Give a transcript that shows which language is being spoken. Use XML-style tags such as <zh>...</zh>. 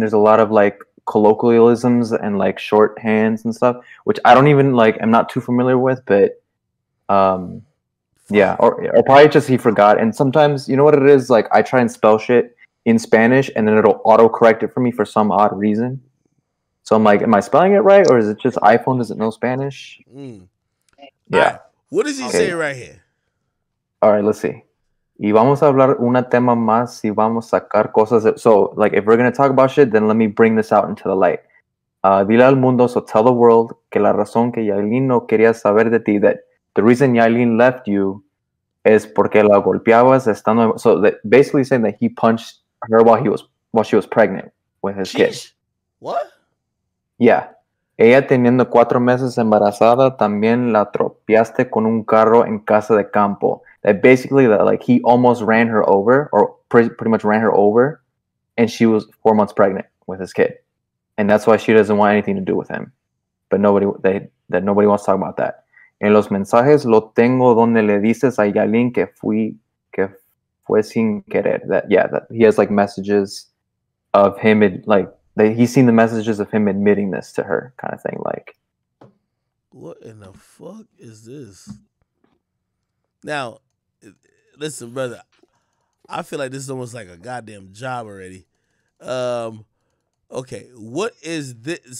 <en>There's a lot of, like, colloquialisms and, like, shorthands and stuff, which I don't even, like, I'm not too familiar with, but, yeah, or probably just he forgot. And sometimes, you know what it is? Like, I try and spell shit in Spanish, and then it'll auto-correct it for me for some odd reason. So I'm like, am I spelling it right, or is it just iPhone doesn't know Spanish? Yeah. Right. What is he saying right here?</en> <es>All right, let's see. Y vamos a hablar una tema más y vamos a sacar cosas.</es> <en>So, like, if we're going to talk about shit, then let me bring this out into the light.</en> <es>Dile al mundo,</es> <en>so tell the world,</en> <es>que la razón que Yailin no quería saber de ti,</es> <en>that the reason Yailin left you</en> <es>es porque la golpeabas estando...</es> <en>So, that basically saying that he punched her while he was while she was pregnant with his kid. What? Yeah.</en> <es>Ella teniendo 4 meses embarazada, también la atropellaste con un carro en casa de campo.</es> <en>That basically, that like, he almost ran her over, or pretty much ran her over, and she was 4 months pregnant with his kid. And that's why she doesn't want anything to do with him. But nobody that nobody wants to talk about that.</en> <es>En los mensajes lo tengo donde le dices a Yailin que fue sin querer.</es> <en>That he has like messages of him in, like that he's seen the messages of him admitting this to her, kind of thing. Like, what in the fuck is this? Now, listen, brother. I feel like this is almost like a goddamn job already. Okay, what is this?</en>